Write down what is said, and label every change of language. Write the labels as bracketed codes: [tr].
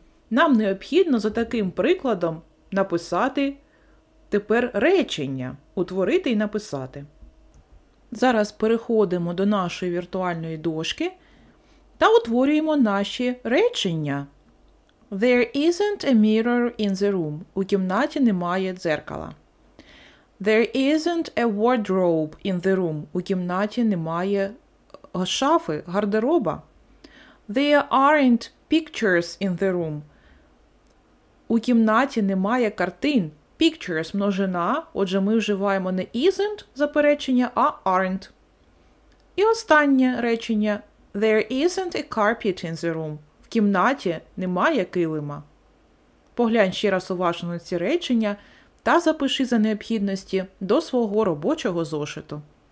[uk] Нам необхідно за таким прикладом написати тепер речення, утворити і написати. Зараз переходимо до нашої віртуальної дошки та утворюємо наші речення. [en] There isn't a mirror in the room. [uk] У кімнаті немає дзеркала. [en] There isn't a wardrobe in the room. [uk] У кімнаті немає шафи, гардероба. [en] There aren't pictures in the room. [uk] У кімнаті немає картин. Pictures – множина, отже ми вживаємо не isn't – заперечення, а aren't. І останнє речення. [en] There isn't a carpet in the room. [uk] В кімнаті немає килима. Поглянь ще раз уважно ці речення та запиши за необхідності до свого робочого зошиту.